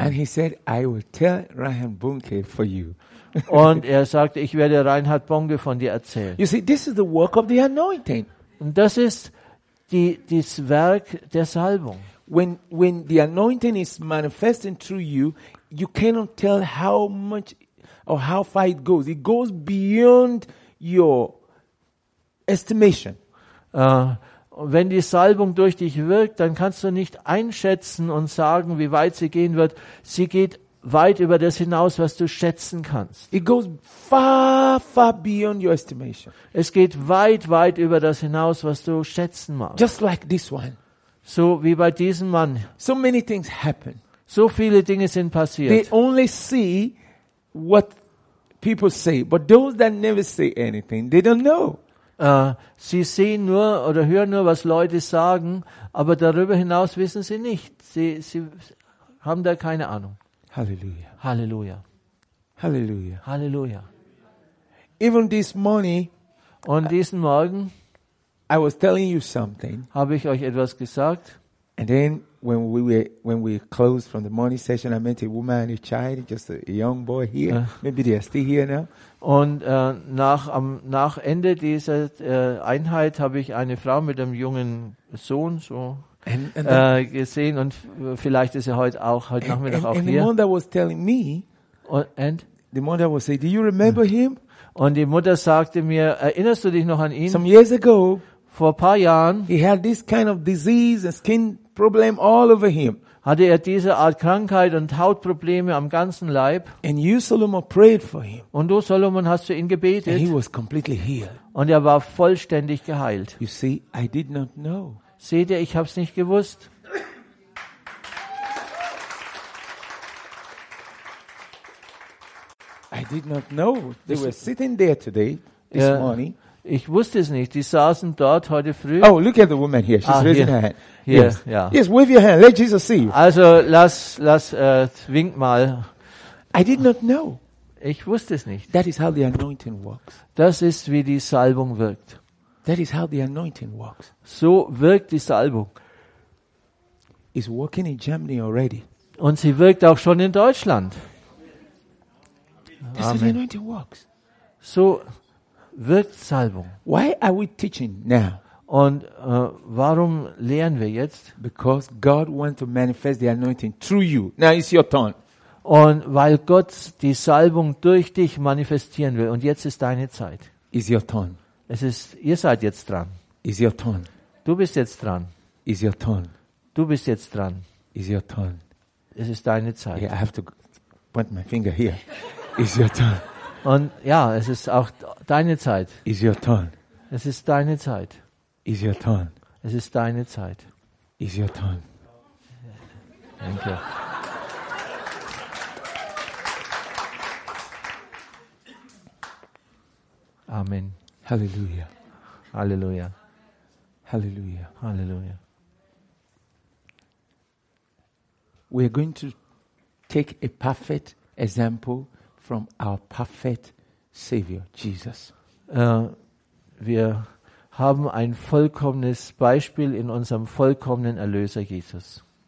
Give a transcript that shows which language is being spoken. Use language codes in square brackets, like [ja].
[en] And he said, I will tell Reinhard Bonnke for you. [de] Und er sagte, ich werde Reinhard Bonnke von dir erzählen. [en] You see, this is the work of the anointing. [de] Und das ist das Werk der Salbung. [en] When the anointing is manifesting through you, you cannot tell how much or how far it goes. It goes beyond your estimation. [de] Wenn die Salbung durch dich wirkt, dann kannst du nicht einschätzen und sagen, wie weit sie gehen wird. Sie geht weit über das hinaus, was du schätzen kannst. [en] It goes far, far beyond your estimation. [de] Es geht weit, weit über das hinaus, was du schätzen magst. [en] Just like this one. [de] So wie bei diesem Mann. [en] So many things happen. [de] So viele Dinge sind passiert. [en] They only see what people say, but those that never say anything, they don't know. [de] Sie sehen nur oder hören nur, was Leute sagen, aber darüber hinaus wissen sie nicht. Sie haben da keine Ahnung. Hallelujah. Hallelujah. Hallelujah. Hallelujah. [en] Even this morning, [de] on diesen Morgen, [en] I was telling you something. [de] Habe ich euch etwas gesagt? [en] And then when we closed from the morning session, I met a woman, a child, just a young boy here. Maybe they are still here now. [de] Und nach Ende dieser Einheit habe ich eine Frau mit einem jungen Sohn so gesehen, und vielleicht ist er heute Nachmittag auch hier. [en] And the mother was telling me. And the mother was saying, "Do you remember him?" [de] Und die Mutter sagte mir, erinnerst du dich noch an ihn? [en] Some years ago. [de] Vor ein paar Jahren. [en] He had this kind of disease and skin problem all over him. [de] Hatte er diese Art Krankheit und Hautprobleme am ganzen Leib. [en] And you, Solomon, prayed for him. [de] Und du, Solomon, hast für ihn gebetet. [en] And he was completely healed. [de] Und er war vollständig geheilt. [en] You see, I did not know. [de] Seht ihr, ich hab's nicht gewusst. [en] I did not know. They were sitting there today, this morning. [de] Ich wusste es nicht. Die saßen dort heute früh. [en] Oh, look at the woman here. She's raising her hand. [de] Hier, [en] yes, [de] ja. [en] Yes, wave your hand. Let Jesus see you. [de] Also lass wink mal. [en] I did not know. [de] Ich wusste es nicht. [en] That is how the anointing works. [de] Das ist, wie die Salbung wirkt. [en] That is how the anointing works. [de] So wirkt die Salbung. [en] It's working in Germany already. [de] Und sie wirkt auch schon in Deutschland. [en] That's how the anointing works. [de] So wird Salbung. [en] Why are we teaching now? [de] Und warum lehren wir jetzt? [en] Because God wants to manifest the anointing through you. Now it's your turn. [de] Und weil Gott die Salbung durch dich manifestieren will. Und jetzt ist deine Zeit. [en] It's your turn. [de] Es ist, ihr seid jetzt dran. [en] It's your turn. [de] Du bist jetzt dran. [en] It's your turn. [de] Du bist jetzt dran. [en] It's your turn. [de] Es ist deine Zeit. [en] Yeah, I have to point my finger here. It's your turn. [de] Und ja, es ist auch deine Zeit. [en] Is your turn. [de] Es ist deine Zeit. [en] Is your turn. [de] Es ist deine Zeit. [en] is your turn. Thank you. Amen. Hallelujah. Hallelujah. Hallelujah. Hallelujah. We're going to take a perfect example from our perfect Savior, Jesus. [de] Wir haben ein vollkommenes Beispiel in unserem vollkommenen Erlöser Jesus.